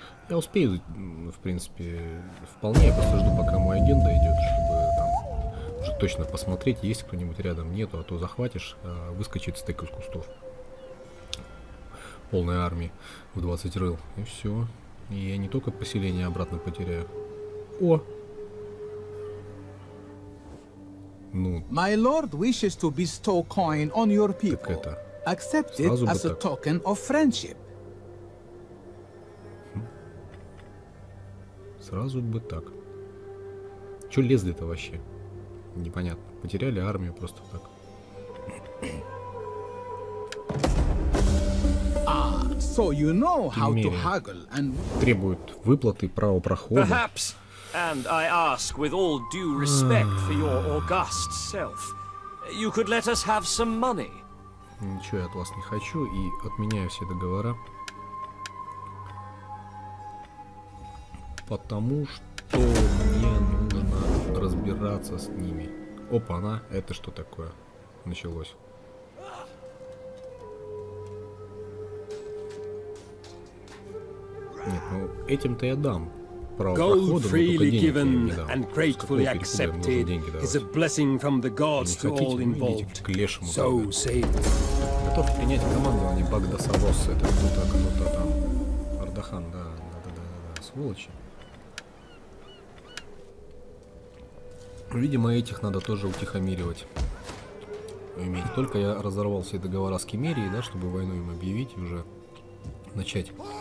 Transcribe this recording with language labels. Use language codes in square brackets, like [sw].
[ru] Я успею, в принципе, вполне. Я просто жду, пока мой агент дойдет, чтобы уже точно посмотреть, есть кто-нибудь рядом, нету, а то захватишь, а выскочит стек из кустов полной армии в 20 рыл, и все. И я не только поселение обратно потеряю. О! Ну... [en] My lord wishes to bestow coin on your people. [ru] Так это... [en] Accept it as a token of friendship. [ru] Сразу бы так. Че лезли-то вообще? Непонятно. Потеряли армию просто так. [en] So you know how to haggle and... [ru] Требуют выплаты, право прохода. [en] Perhaps, and I ask with all due respect for your august self, you could let us have some money. [ru] Ничего я от вас не хочу и отменяю все договора. Потому что мне нужно разбираться с ними. Опа-на, это что такое? Началось. Нет, ну этим-то я дам. [en] Gold freely given and gratefully accepted is a blessing from the gods to all involved. So save. [ru] Готов принять командование Багдаса Босса. Это кто-то там. Ардахан, да, да, да, да, да, сволочи. Видимо, этих надо тоже утихомиривать. Иметь. Только я разорвал все договора с Кемерией, да, чтобы войну им объявить и уже начать.